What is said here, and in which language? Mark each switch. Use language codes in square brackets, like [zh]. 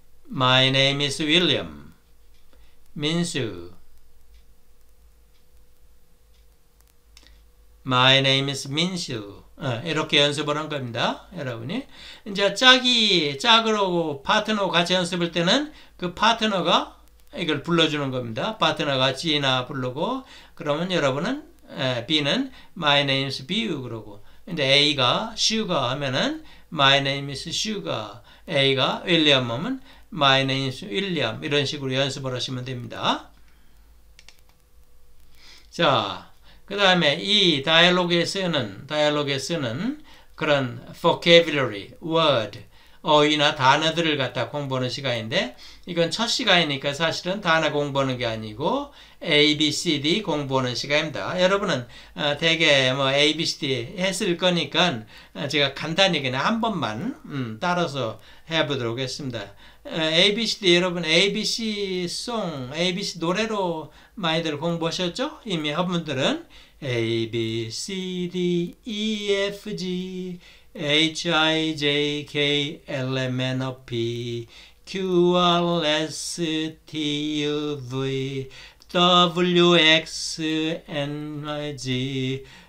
[en] My name is William. Minsu. My name is Minsu. [ko] 이렇게 연습을 한 겁니다. 여러분이. 이제 짝으로 파트너 같이 연습할 때는 그 파트너가 이걸 불러주는 겁니다. 파트너가 지나 부르고 그러면 여러분은 B는 [en] My name is Bew [ko] 그러고 근데 A가 Sugar 하면은 [en] My name is Sugar. [ko] A가 [en] William [ko] 하면 [en] My name is William. [ko] 이런 식으로 연습을 하시면 됩니다. 자, 그 다음에 이 다이얼로그에 쓰는 그런 vocabulary, word, 어휘나 단어들을 갖다 공부하는 시간인데 이건 첫 시간이니까 사실은 단어 공부하는 게 아니고 A, B, C, D 공부하는 시간입니다. 여러분은 대개 뭐 A, B, C, D 했을 거니까 제가 간단히 그냥 한 번만 따라서 해보도록 하겠습니다. A, B, C, D 여러분 A, B, C 송, A, B, C 노래로 많이들 공부하셨죠? 이미 한 분들은 [en] A, B, C, D, E, F, G H, I, J, K, L, M, N, O, P, Q, R, S, T, U, V, W, X, N, Y, Z.